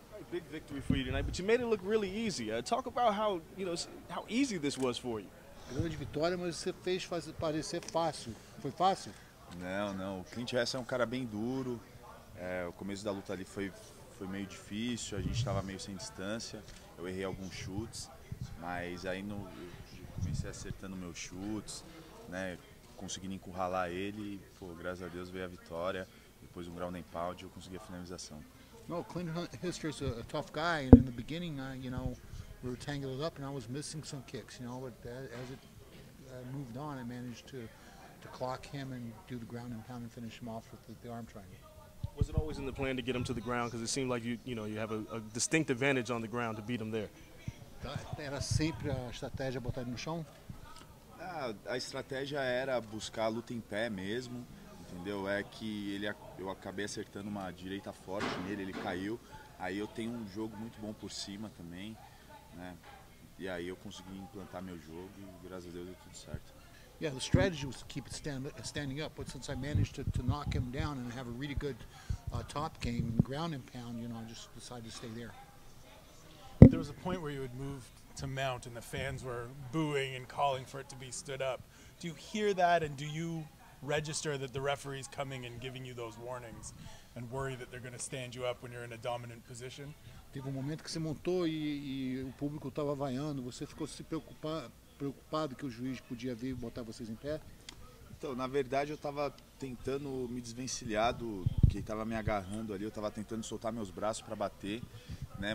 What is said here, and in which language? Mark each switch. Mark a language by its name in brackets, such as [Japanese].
[English] Big victory for you tonight, but you made it look really easy. Talk about how, you know, how easy this was for you. [Portuguese] Grande vitória, mas você fez parecer fácil. Foi fácil? Não. O Clint Hester é um cara bem duro. O começo da luta ali foi meio difícil, a gente estava meio sem distância. Eu errei alguns chutes, mas aí eu comecei acertando meus chutes, né? Conseguindo encurralar ele, e, pô, graças a Deus veio a vitória. Depois um ground and pound, eu consegui a finalização. [English] Well, Clint Hester's a tough guy, and in the beginning, we were tangled up, and I was missing some kicks, but as it moved on, I managed to clock him and do the ground and pound and finish him off with the arm triangle. Was it always in the plan to get him to the ground? Because it seemed like you have a distinct advantage on the ground to beat him there. [Portuguese] Era sempre a estratégia botar ele no chão? A estratégia era buscar a luta em pé mesmo. Entendeu? É que eu acabei acertando uma direita forte nele, ele caiu. Aí eu tenho um jogo muito bom por cima também, né? E aí eu consegui implantar meu jogo e graças a Deus deu tudo certo. [English] Yeah, the strategy was to keep it standing up, but since I managed to knock him down and have a really good top game, ground and pound, I just decided to stay there. There was a point where you had moved to mount and the fans were booing and calling for it to be stood up. Do you hear that and do you register that the referee's coming and giving you those warnings and worry that they're going to stand you up when you're in a dominant position? [Portuguese] Teve momento que você montou e o público estava vaiando, você ficou se preocupado que o juiz podia vir botar vocês em pé? Então, na verdade, eu estava tentando me desvencilhar do que estava me agarrando ali, eu estava tentando soltar meus braços para bater, né?